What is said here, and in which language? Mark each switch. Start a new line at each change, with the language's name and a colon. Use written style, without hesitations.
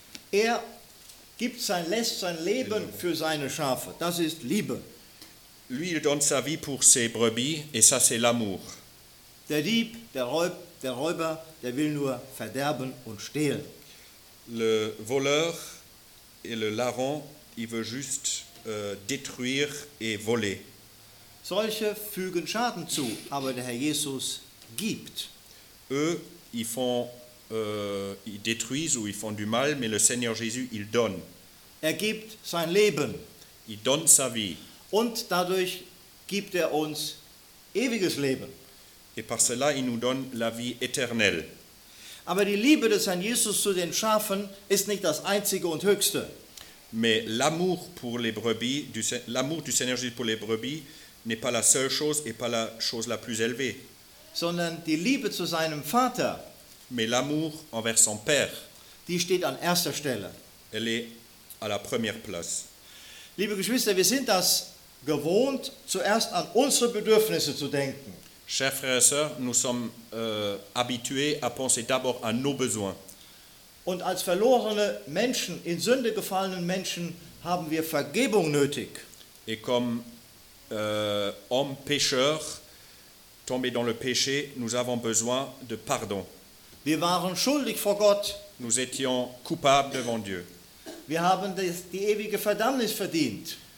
German: Er gibt lässt sein Leben für seine Schafe. Das ist Liebe.
French: Lui, il donne sa vie pour ses brebis et ça c'est l'amour.
German: Der Dieb, der Räuber, der will nur verderben und stehlen.
French: Le voleur et le larron, il veut juste détruire et voler.
German: Solche fügen Schaden zu, aber der Herr Jesus gibt.
French: Eux, ils font, ils détruisent ou ils font du mal, mais le Seigneur Jésus, il donne.
German: Er gibt sein Leben.
French: Il donne sa vie.
German: Und dadurch gibt er uns ewiges Leben.
French: Et par cela, il nous donne la vie éternelle.
German: Aber die Liebe des Herrn Jesus zu den Schafen ist nicht das einzige und höchste.
French: Mais l'amour pour les brebis, l'amour du Seigneur Jésus pour les brebis n'est pas la seule chose et pas la chose la plus élevée.
German: Sondern die Liebe zu seinem Vater.
French: Mais l'amour envers son père.
German: Die steht an erster Stelle.
French: Elle est à la première place.
German: Liebe Geschwister, wir sind das gewohnt, zuerst an unsere Bedürfnisse zu denken.
French: Chers frères et sœurs, nous sommes habitués à penser d'abord à nos besoins.
German: Und als verlorene Menschen, in Sünde gefallenen Menschen, haben wir Vergebung nötig.
French: Et comme hommes pécheurs, tombés dans le péché, nous avons besoin de pardon.
German: Wir waren schuldig vor Gott.
French: Nous étions coupables devant Dieu.
German: Wir haben die ewige Verdammnis verdient.